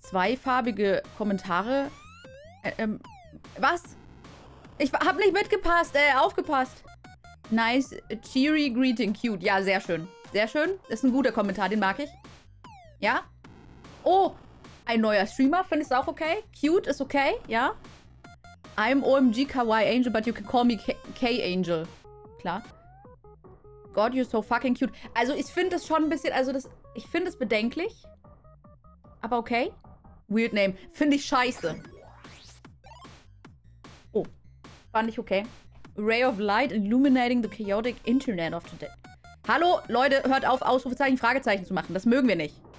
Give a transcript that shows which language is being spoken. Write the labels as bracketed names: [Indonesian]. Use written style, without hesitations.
[German] Zweifarbige Kommentare? Was? Ich hab nicht mitgepasst, aufgepasst. [English] Nice, cheery greeting, cute. [German] Ja, sehr schön. Sehr schön. Das ist ein guter Kommentar, den mag ich. Ja? Oh, ein neuer Streamer, findest du auch okay? Cute ist okay, ja? [English] I'm OMG Kawaii Angel, but you can call me K-Angel. Klar. God, you're so fucking cute. [German] Also, ich finde das schon ein bisschen, also das, ich finde es bedenklich. Aber okay. [English] Weird name. [German] Finde ich scheiße. Oh. Fand ich okay. [English] Ray of light illuminating the chaotic internet of today. [German] Hallo, Leute, hört auf, Ausrufezeichen, Fragezeichen zu machen. Das mögen wir nicht.